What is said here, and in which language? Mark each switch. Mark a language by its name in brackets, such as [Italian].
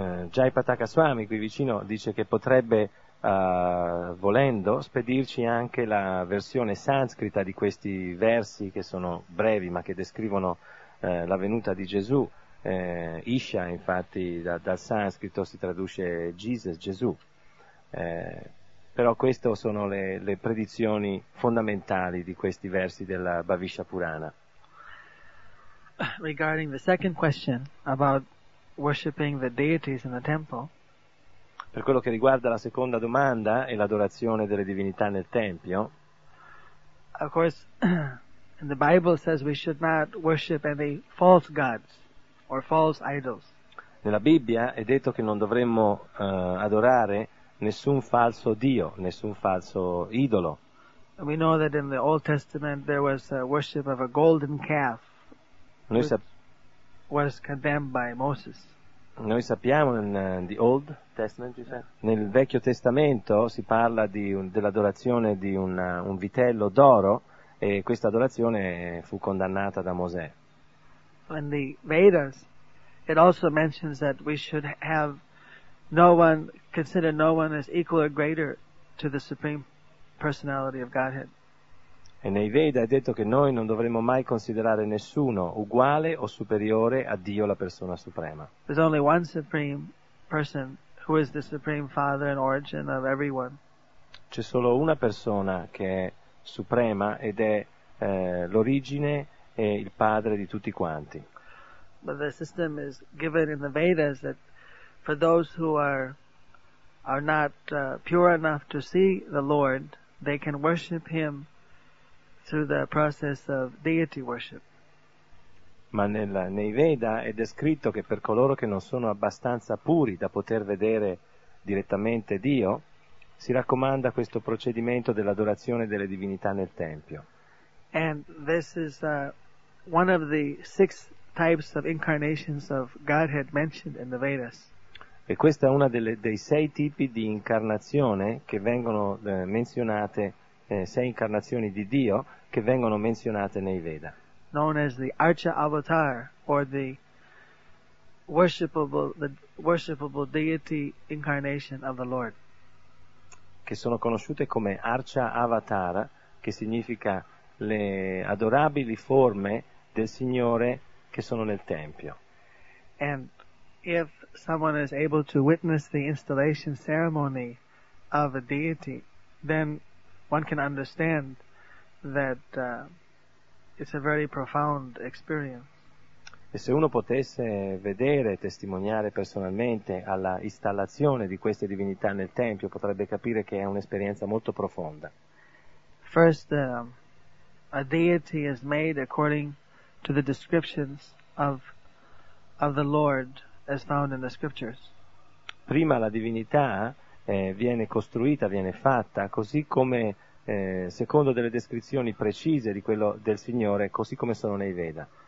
[Italian] Jai Pataka Swami, qui vicino, dice che potrebbe, volendo, spedirci anche la versione sanscrita di questi versi, che sono brevi, ma che descrivono la venuta di Gesù. Isha, infatti, dal sanscrito si traduce Jesus, Gesù. Però queste sono le predizioni fondamentali di questi versi della Bhavishya Purana. [English] Regarding the second question about worshipping the deities in the temple. [Italian] Per quello che riguarda la seconda domanda e l'adorazione delle divinità nel tempio. [English] Of course, and the Bible says we should not worship any false gods or false idols. [Italian] Nella Bibbia è detto che non dovremmo adorare nessun falso dio, nessun falso idolo. [English] We know that in the Old Testament there was a worship of a golden calf, which was condemned by Moses. [Italian] Noi sappiamo [English] in the Old Testament, [Italian] nel Vecchio Testamento si parla dell'adorazione di un vitello d'oro. E questa adorazione fu condannata da Mosè. [English] In the Vedas, it also mentions that we should have no one, consider no one as equal or greater to the Supreme Personality of Godhead. [Italian] E nei Veda è detto che noi non dovremmo mai considerare nessuno uguale o superiore a Dio, la persona suprema. [English] There's only one Supreme Person who is the Supreme Father and origin of everyone. [Italian] C'è solo una persona che è suprema ed è l'origine e il padre di tutti quanti. [English] But the system is given in the Vedas that for those who are not pure enough to see the Lord, they can worship him through the process of deity worship. [Italian] Ma nei Veda è descritto che per coloro che non sono abbastanza puri da poter vedere direttamente Dio, si raccomanda questo procedimento dell'adorazione delle divinità nel tempio. [English] And this is one of the six types of incarnations of Godhead mentioned in the Vedas. [Italian] E questa è una delle, dei sei tipi di incarnazione che vengono menzionate, sei incarnazioni di Dio che vengono menzionate nei Veda. [English] Known as the Archa Avatar or the worshipable deity incarnation of the Lord. [Italian] Che sono conosciute come Archa Avatar, che significa le adorabili forme del Signore che sono nel Tempio. [English] And if someone is able to witness the installation ceremony of a deity, then one can understand that it's a very profound experience. [Italian] E se uno potesse vedere e testimoniare personalmente alla installazione di queste divinità nel Tempio, potrebbe capire che è un'esperienza molto profonda. [English] First, a deity is made according to the descriptions of the Lord as found in the scriptures. [Italian] Prima la divinità viene costruita, viene fatta, così come secondo delle descrizioni precise di quello del Signore, così come sono nei Veda.